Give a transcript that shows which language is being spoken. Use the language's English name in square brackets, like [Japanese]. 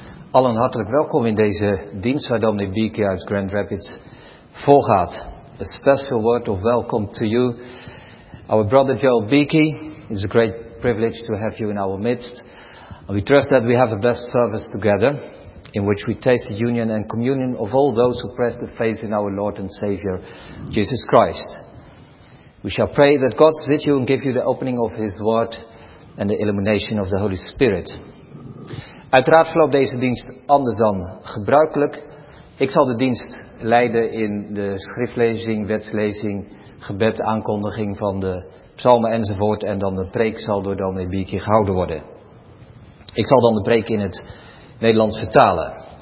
[Dutch] Allen hartelijk welkom in deze dienst waar Dominic Bieke uit Grand Rapids voorgaat. [English] A special word of welcome to you, our brother Joel Bieke. It's a great privilege to have you in our midst. And we trust that we have the best service together, in which we taste the union and communion of all those who press the faith in our Lord and Savior, Jesus Christ. We shall pray that God visit you and give you the opening of his word and the illumination of the Holy Spirit. [Dutch] Uiteraard verloopt deze dienst anders dan gebruikelijk. Ik zal de dienst leiden in de schriftlezing, wetslezing, gebed, aankondiging van de psalmen enzovoort. En dan de preek zal door Dominic Bieke gehouden worden. Ik zal dan de preek in het Nederlands vertalen.